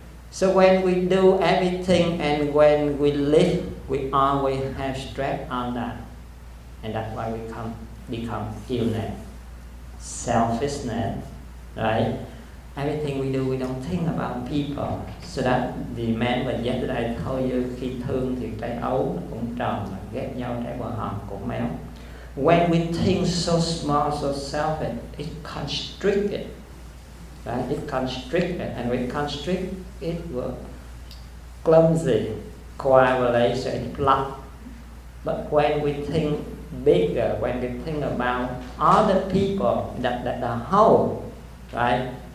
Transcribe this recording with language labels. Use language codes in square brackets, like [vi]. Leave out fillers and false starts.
[en] So when we do everything and when we live, we always have stress on that. And that's why we become illness, selfishness, right? Everything we do, we don't think about people. So that the man [vi] mà [en] yesterday I told you, [vi] khi thương thì cái ấu nó cũng tròn, mà ghét nhau cái bờ hòn cũng méo. [en] When we think so small, so selfish, it constricts it. Right? It constricts it, and we constrict it with clumsy coagulation, it blocks. But when we think bigger, when we think about other people, that the whole, right?